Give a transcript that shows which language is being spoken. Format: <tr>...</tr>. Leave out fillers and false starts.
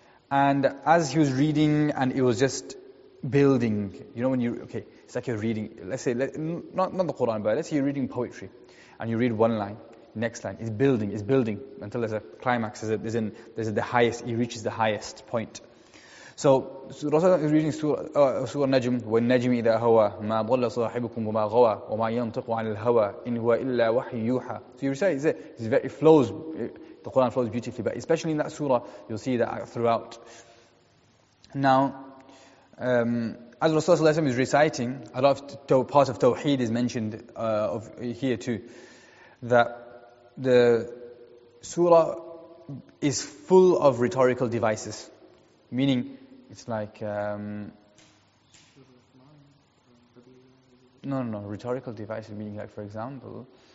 <en>And as he was reading, and it was just building, you know, when you, okay, it's like you're reading, not the Quran, but let's say you're reading poetry, and you read one line, next line, it's building, until there's a climax, he reaches the highest point. So, Rasulullah is reading Surah Najm,</en> <ar>وَالنَّجْمِ إِذَا هَوَى مَا ضَلَّ صَاحِبُكُمْ وَمَا غَوَى وَمَا يَنْطِقُ عَنِ الْهَوَى إِنْ هُوَ إِلَّا وَحْيٌ يُوحَى.</ar> <en>So you recite, it flows, the Quran flows beautifully, but especially in that surah, you'll see that throughout. Now, as Rasulullah is reciting, a lot of part of Tawheed is mentioned here too, that the surah is full of rhetorical devices, meaning it's like rhetorical devices, meaning like, for example,</en>